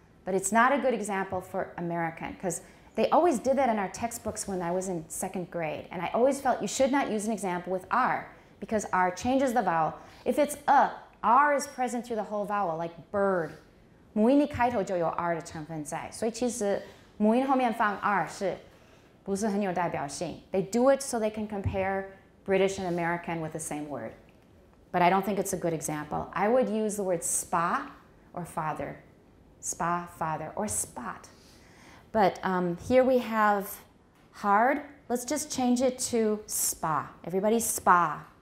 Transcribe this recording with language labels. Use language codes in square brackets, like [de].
[en] But it's not a good example for American because they always did that in our textbooks when I was in second grade. And I always felt you should not use an example with R because R changes the vowel. If it's R is present through the whole vowel, like bird. [zh] 母音里开头就有R的成分在，所以其实 母音后面放R是不是很有代表性? [en] They do it so they can compare British and American with the same word. But I don't think it's a good example. I would use the word spa or father. Spa, father, or spot. But here we have hard. Let's just change it to spa. Everybody, spa.